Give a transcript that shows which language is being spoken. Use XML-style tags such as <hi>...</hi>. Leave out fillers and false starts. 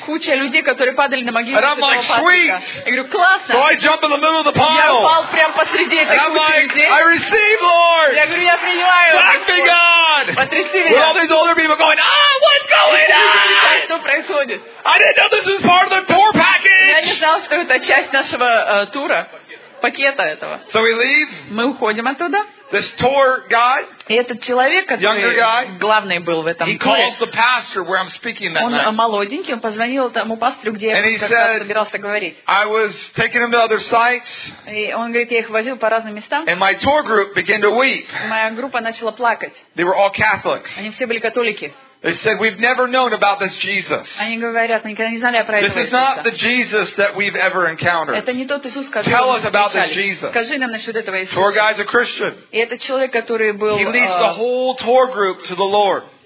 <en>And I'm like, sweet! So I jump in the middle of the pile. And I'm like, I receive, Lord! Thank me, God! With all these older people going, ah, what's going on? I didn't know this was part of the tour package.</en> <ru>Я не знал, что это часть нашего тура, пакета этого.</ru> <en>So we leave.</en> <ru>Мы уходим оттуда.</ru> <en>This tour guy,</en> <ru>этот человек, который главный был в этом туре, он молоденький, он позвонил тому пастору, где я собирался говорить.</ru> <en>I was taking him to other sites,</en> <ru>и он говорит, я их возил по разным местам.</ru> <en>And my tour group began to weep.</en> <ru>Моя группа начала плакать.</ru> <en>They were all Catholics.</en> <ru>Они все были католики.</ru> <en>They said, we've never known about this Jesus. This is not the Jesus that we've ever encountered. Tell us about this Jesus. Tour guy's a Christian. He leads the whole tour group to the Lord.</en>